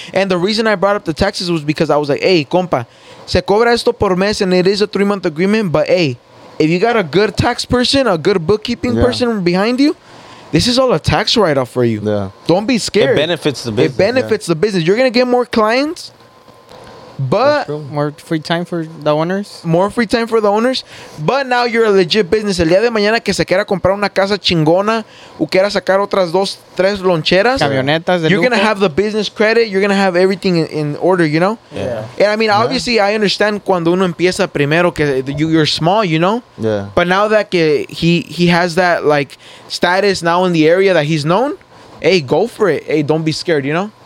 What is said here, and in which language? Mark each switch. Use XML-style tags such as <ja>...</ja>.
<en>And the reason I brought up the taxes was because I was like, hey, compa,</en> <es>se cobra esto por mes,</es> <en>and it is a 3-month agreement, but hey, if you got a good tax person, a good bookkeeping person behind you, this is all a tax write-off for you. Yeah. Don't be scared. It benefits the business. It benefits the business. You're going to get more clients. But more free time for the owners. More free time for the owners. But now you're a legit business.</en> <es>El día de mañana que se quiera comprar una casa chingona o quiera sacar otras dos, tres loncheras, camionetas de lujo,</es> <en>you're going to have the business credit. You're going to have everything in order, you know? Yeah. And I mean, obviously, I understand</en> <es>cuando uno empieza primero que</es> <en>you're small, you know? Yeah. But now that he has that, like, status now in the area that he's known, hey, go for it. Hey, don't be scared, you know?</en>